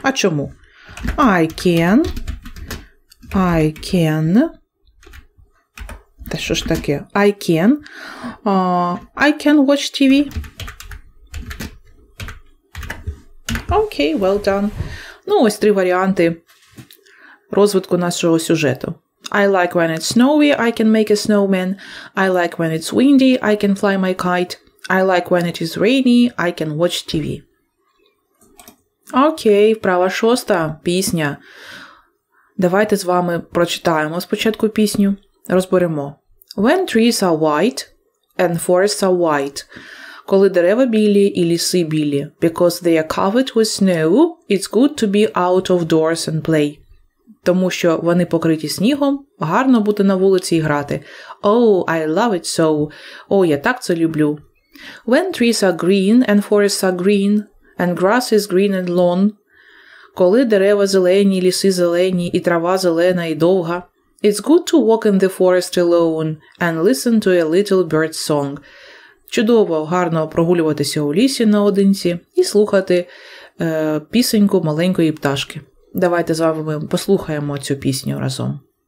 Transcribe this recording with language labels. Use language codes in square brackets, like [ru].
[uk] А чому? [en] I can. [uk] Та що ж таке? [en] I can watch TV. Окей, well done. [uk] Ну, ось три варіанти розвитку нашого сюжету. [en] I like when it's snowy, I can make a snowman. I like when it's windy, I can fly my kite. I like when it is rainy, I can watch TV. [uk] Окей, вправа шоста, пісня. Давайте з вами прочитаємо спочатку пісню, розберемо. [en] When trees are white and forests are white. [uk] Коли дерева білі і ліси білі. [en] Because they are covered with snow, it's good to be out of doors and play. [uk] Тому що вони покриті снігом, гарно бути на вулиці і грати. [en] Oh, I love it so. Oh, [uk] я так це люблю. [en] When trees are green and forests are green, and grass is green and long. [uk] Коли дерева зелені, ліси зелені, і трава зелена і довга. [en] It's good to walk in the forest alone and listen to a little bird song. [uk] Чудово, гарно прогулюватися у лісі наодинці і слухати пісеньку маленької пташки. Давайте з вами послухаємо цю пісню разом.